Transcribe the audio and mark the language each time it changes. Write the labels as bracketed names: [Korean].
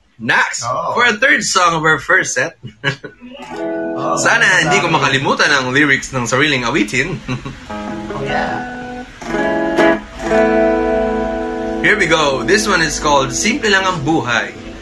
[English] Next, for a third song of our first set. [Filipino] Sana hindi ko makalimutan ang lyrics ng sariling awitin. [English] Here we go. This one is called Simple Lang Ang Buhay.